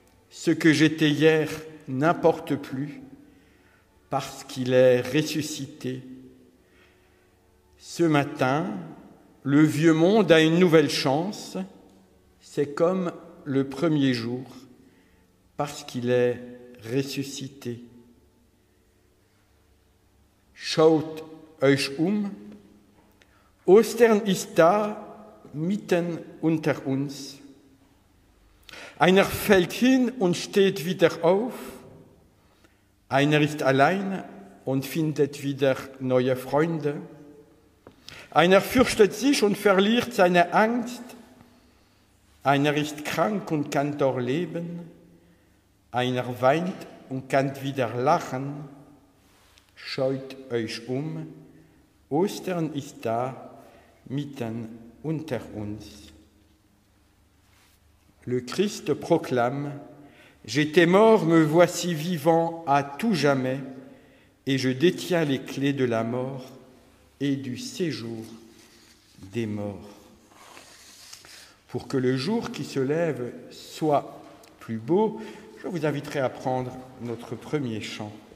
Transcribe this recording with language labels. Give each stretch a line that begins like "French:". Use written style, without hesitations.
French: Ce que j'étais hier n'importe plus, parce qu'il est ressuscité. Ce matin, le vieux monde a une nouvelle chance. C'est comme le premier jour, parce qu'il est ressuscité.
German: Schaut euch Ostern ist da. Mitten unter uns. Einer fällt hin und steht wieder auf. Einer ist allein und findet wieder neue Freunde. Einer fürchtet sich und verliert seine Angst. Einer ist krank und kann doch leben. Einer weint und kann wieder lachen. Scheut euch Ostern ist da, mitten unter uns.
French: Le Christ proclame « J'étais mort, me voici vivant à tout jamais, et je détiens les clés de la mort et du séjour des morts. » Pour que le jour qui se lève soit plus beau, je vous inviterai à prendre notre premier chant.